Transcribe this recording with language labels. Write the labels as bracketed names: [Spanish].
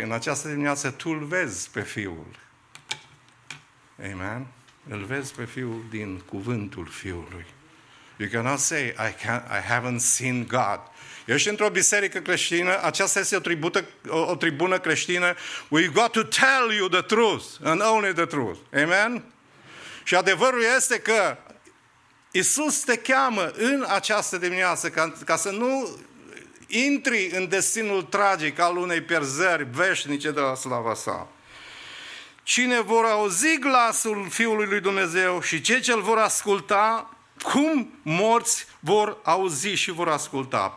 [Romanian] În această dimineață tu îl vezi pe fiul. Amen? Îl vezi pe fiul din cuvântul fiului. [English] You cannot say, I haven't seen God. [Romanian] Ești într-o biserică creștină, aceasta este o tribună creștină. [English] We got to tell you the truth and only the truth. Amen? [Romanian] Și adevărul este că Iisus te cheamă în această dimineață ca să nu intri în destinul tragic al unei pierzări veșnice de la slava sa. Cine vor auzi glasul Fiului lui Dumnezeu și cei ce-l vor asculta, cum morți vor auzi și vor asculta?